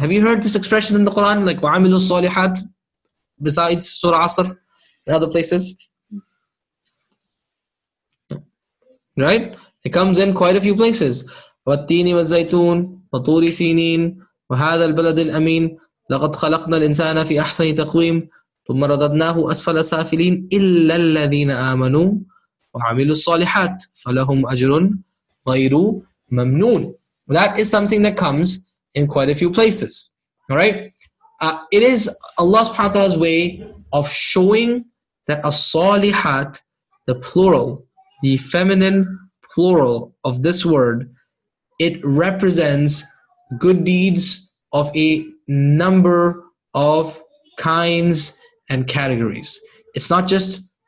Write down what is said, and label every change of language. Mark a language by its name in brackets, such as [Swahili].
[English] Have you heard this expression in the Quran, like wa'amilu salihat, besides Surah Asr and other places? Right? It comes in quite a few places. [Arabic] والتين والزيتون وطور سينين وهذا البلد الأمين لقد خلقنا الإنسان في أحسن تقويم ثم رددناه أسفل سافلين إلا الذين آمنوا وعملوا الصالحات فلهم أجر غير ممنون. [English] That is something that comes in quite a few places. Alright? It is Allah subhanahu wa ta'ala's way of showing that الصالحات, the plural, the feminine plural of this word, it represents good deeds of a number of kinds and categories. It's not just